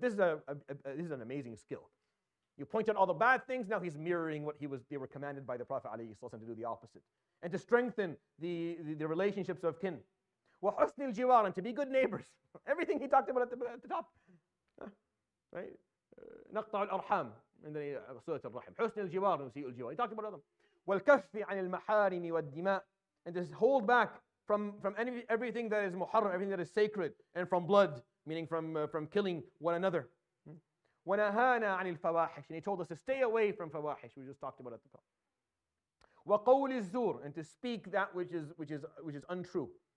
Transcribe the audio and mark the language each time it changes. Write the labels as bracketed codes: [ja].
[en] This is an amazing skill. You point out all the bad things, now he's mirroring what they were commanded by the Prophet ﷺ to do the opposite. And to strengthen the relationships of kin. [ar] وحسن الجوار, [en] and to be good neighbors. Everything he talked about at the top. Right? [ar] نقطع الأرحام من سورة الرحم. حسن الجوار وسيء الجوار. [en] He talked about them. [ar] والكف عن المحارم والدماء. [en] And just hold back from any, everything that is muharram, everything that is sacred, and from blood, meaning from killing one another. [ar] ونهانا عن الفواحش. [en] And he told us to stay away from فواحش. We just talked about at the top. [ar] وقول الزور, [en] and to speak that which is untrue.